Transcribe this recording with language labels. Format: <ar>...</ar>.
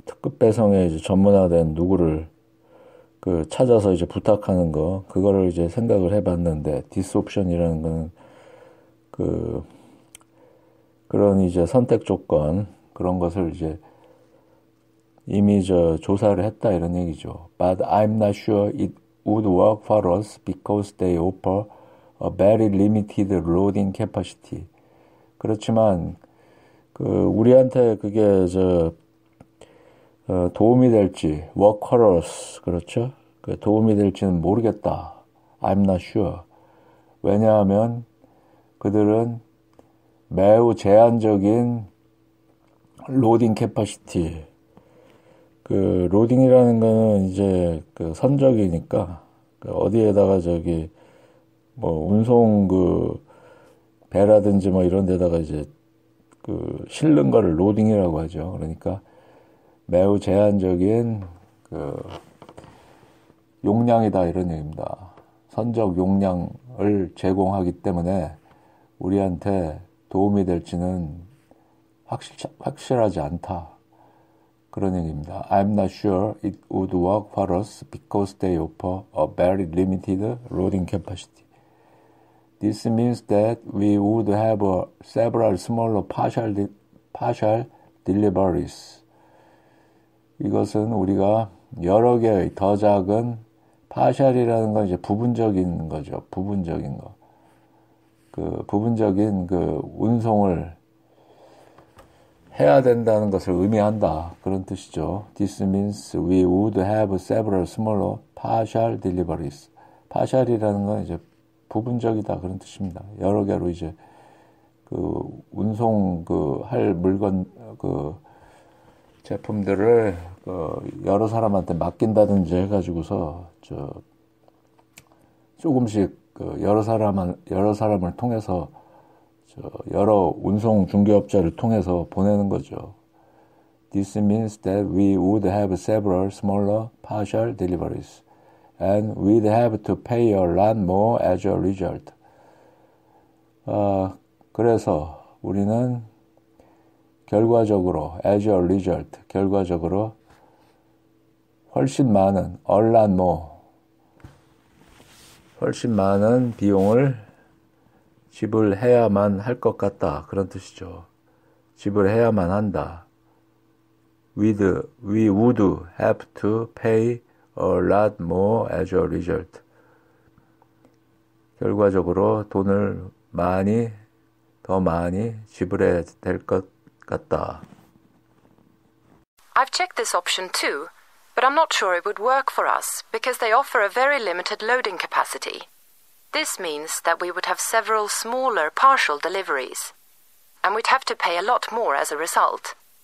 <ko>특급 배송에 이제 전문화된 누구를 그 찾아서 이제 부탁하는 거, 그거를 이제 생각을 해 봤는데, this option이라는 거는 그 그런 이제 선택 조건, 그런 것을 이제 이미 저 조사를 했다 이런 얘기죠.</ko> <en>But I'm not sure it would work for us because they offer a very limited loading capacity.</en> <ko>그렇지만 그 우리한테 그게 저 도움이 될지,</ko> <en>work for us,</en> <ko>그렇죠? 그 도움이 될지는 모르겠다.</ko> <en>I'm not sure.</en> <ko>왜냐하면 그들은 매우 제한적인 로딩 캐파시티. 그 로딩이라는 거는 이제 그 선적이니까 그 어디에다가 저기 뭐 운송 그 배라든지 뭐 이런 데다가 이제 그 실는 거를 로딩이라고 하죠. 그러니까 매우 제한적인 그 용량이다 이런 얘기입니다. 선적 용량을 제공하기 때문에 우리한테 도움이 될지는 확실하지 않다. 그런 얘기입니다.</ko> <en>I'm not sure it would work for us because they offer a very limited loading capacity. This means that we would have several smaller partial deliveries.</en> <ko>이것은 우리가 여러 개의 더 작은 partial이라는 건 이제 부분적인 거죠. 부분적인 거. 그 부분적인 그 운송을 해야 된다는 것을 의미한다. 그런 뜻이죠.</ko> <en>This means we would have several smaller partial deliveries.</en> <ko>partial이라는 건 이제 부분적이다. 그런 뜻입니다. 여러 개로 이제 그 운송 그할 물건 그 제품들을 그 여러 사람한테 맡긴다든지 해가지고서 저 조금씩 그 여러 사람을 통해서 저 여러 운송 중개업자를 통해서 보내는 거죠.</ko> <en>This means that we would have several smaller partial deliveries and we'd have to pay a lot more as a result.</en> <ko>그래서 우리는 결과적으로</ko> <en>as a result</en> <ko>결과적으로 훨씬 많은</ko> <en>a lot more</en> <ko>훨씬 많은 비용을 지불해야만 할것 같다. 그런 뜻이죠. 지불해야만 한다.</ko> <en>We would have to pay a lot more as a result.</en> <ko>결과적으로 돈을 많이, 더 많이 지불해야 될것 같다.</ko> <en>I've checked this option too, but I'm not sure it would work for us because they offer a very limited loading capacity. This means that we would have several smaller partial deliveries, and we'd have to pay a lot more as a result.</en>